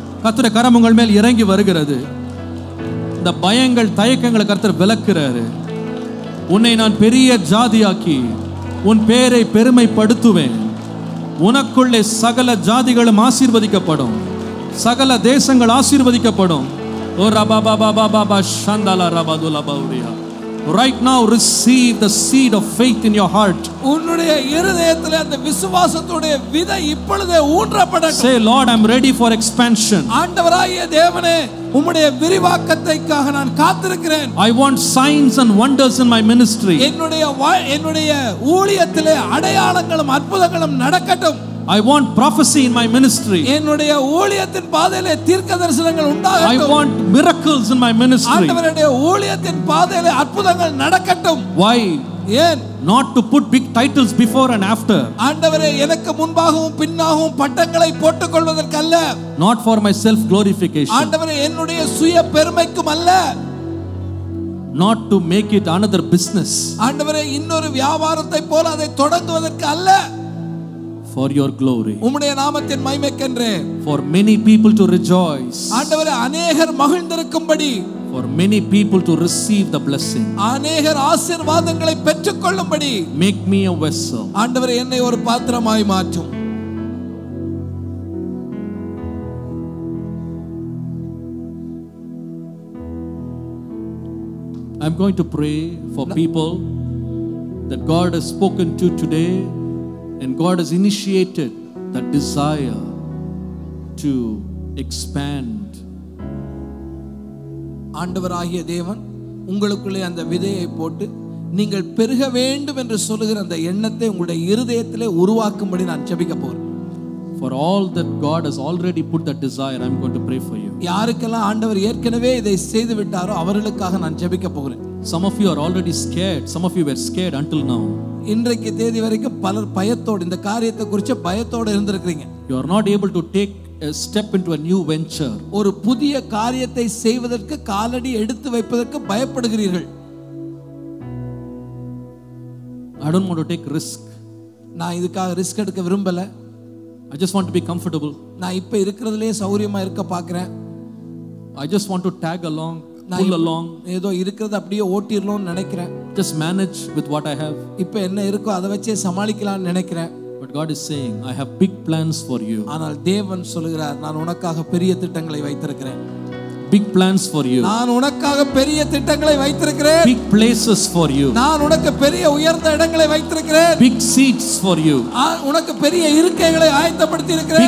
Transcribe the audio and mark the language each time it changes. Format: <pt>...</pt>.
<ta>கர்த்தருடைய கரம் உங்கள் மேல் இறங்கி வருகிறது. இந்த பயங்கள் தயக்கங்களை கர்த்தர் விலக்குறாரு. உன்னை நான் பெரிய ஜாதியாக்கி உன் பேரை பெருமைப்படுத்துவேன். உனக்குள்ளே சகல ஜாதிகளும் ஆசீர்வதிக்கப்படும். சகல தேசங்கள் ஆசீர்வதிக்கப்படும். ஓ ரபா பாபா பாபா பா ஷாந்தாலா ரபாதுலா பவுரியா.</ta> <en>Right now receive the seed of faith in your heart.</en> <ta>உன்னுடைய இருதயத்திலே அந்த விசுவாசத்துடைய விதை இப்பொழுதே ஊன்றப்படட்டும்.</ta> <en>Say Lord, I'm ready for expansion.</en> <ta>ஆண்டவராகிய தேவனே, உம்முடைய விரிவாக்கத்தைக்காக நான் காத்திருக்கிறேன்.</ta> <en>I want signs and wonders in my ministry.</en> <ta>என்னுடைய ஊழியத்திலே அடையாளங்களும் அற்புதங்களும் நடக்கட்டும்.</ta> <en>I want prophecy in my ministry.</en> <ta>என்னுடைய ஊழியத்தின் பாதையிலே தீர்க்கதரிசனங்கள் உண்டாகட்டும்.</ta> <en>I want miracles in my ministry.</en> <ta>ஆண்டவருடைய ஊழியத்தின் பாதையிலே அற்புதங்கள் நடக்கட்டும்.</ta> <en>Why?</en> <ta>Yen</ta> <en>not to put big titles before and after.</en> <ta>ஆண்டவரே எனக்கு முன்பாகவும் பின்னாகவும் பட்டங்களை போட்டுக்கொள்வதற்கல்ல.</ta> <en>Not for my self glorification.</en> <ta>ஆண்டவரே என்னுடைய சுய பெருமைக்கும் அல்ல.</ta> <en>Not to make it another business.</en> <ta>ஆண்டவரே இன்னொரு வியாபாரத்தை போல அதை தொடங்குவதற்கல்ல.</ta> <en>For your glory.</en> <ta>உம்முடைய நாமத்தின் மகிமைக்கென்றே.</ta> <en>For many people to rejoice.</en> <ta>ஆண்டவரே அநேகர் மகிழ்ந்திருக்கும்படி.</ta> <en>For many people to receive the blessing.</en> <ta>அநேகர் ஆசீர்வாதங்களை பெற்றுக்கொள்ளும்படி.</ta> <en>Make me a vessel.</en> <ta>ஆண்டவரே என்னை ஒரு பாத்திரமாய் மாற்றும்.</ta> <en>I'm going to pray for people that God has spoken to today. And God has initiated that desire to expand.</en> <ta>ஆண்டவராகிய தேவன் உங்களுக்குள்ளே அந்த விதையை போட்டு நீங்கள் பெருக வேண்டும் என்று சொல்லுகிற அந்த எண்ணத்தை உங்களுடைய இருதயத்திலே உருவாக்கும்படி நான் ஜெபிக்க போறேன்.</ta> <en>For all that God has already put that desire, I'm going to pray for you.</en> <ta>யாருக்கெல்லாம் ஆண்டவர் ஏற்கனவே இதை செய்து விட்டாரோ அவர்களுக்காக நான் ஜெபிக்க போகிறேன்.</ta> <en>Some of you are already scared. Some of you were scared until now.</en> <ta>இன்றைக்கு தேதி வரைக்கும் பலர் பயத்தோடு இந்த காரியத்தை குறித்து பயத்தோடு இருந்திருக்கிறீங்க.</ta> <en>You are not able to take a step into a new venture.</en> <ta>ஒரு புதிய காரியத்தை செய்வதற்கு காலடி எடுத்து வைப்பதற்கு பயப்படுகிறீர்கள்.</ta> <en>I don't want to take risk.</en> <ta>நான் இதுக்காக ரிஸ்க் எடுக்க விரும்பல.</ta> <en>I just want to be comfortable.</en> <ta>நான் இப்ப இருக்கிறதுலயே சௌரியமா இருக்க பார்க்கிறேன்.</ta> <en>I just want to tag along. Pull along.</en> <ta>ஏதோ இருக்கிறது அப்படியே ஓட்டிடலாம்னு நினைக்கிறேன்.</ta> <en>Just manage with what I have.</en> <ta>இப்போ என்ன இருக்கோ அதை வச்சே சமாளிக்கலாம்னு நினைக்கிறேன்.</ta> <en>But God is saying, I have big plans for you.</en> <ta>ஆனால் தேவன் சொல்கிறார், நான் உனக்காக பெரிய திட்டங்களை வைத்திருக்கிறேன்.</ta> <en>big plans for you.</en> <ta>நான் உனக்காக பெரிய திட்டங்களை வைத்திருக்கிறேன்.</ta> <en>Big places for you.</en> <ta>நான் உனக்கு பெரிய உயர்ந்த இடங்களை வைத்திருக்கிறேன்.</ta> <en>Big seats for you.</en> <ta>உனக்கு பெரிய இருக்கைகளை ஆயத்தப்படுத்தி இருக்கிறேன்.</ta>